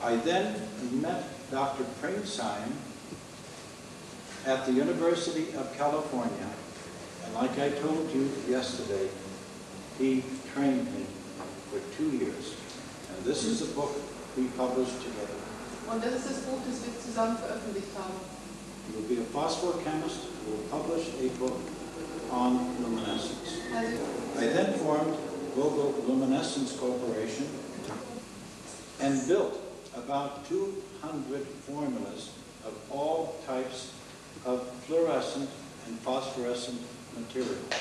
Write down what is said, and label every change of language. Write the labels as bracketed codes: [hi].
[en] I then met Dr. Pringsheim at the University of California, and like I told you yesterday, he trained me for 2 years. And this is a book we published together. [de] Und das ist das Buch, das wir zusammen veröffentlicht haben. [en] You will be a phosphor chemist who will publish a book on luminescence. I then formed Vogel Luminescence Corporation and built about 200 formulas of all types of fluorescent and phosphorescent material.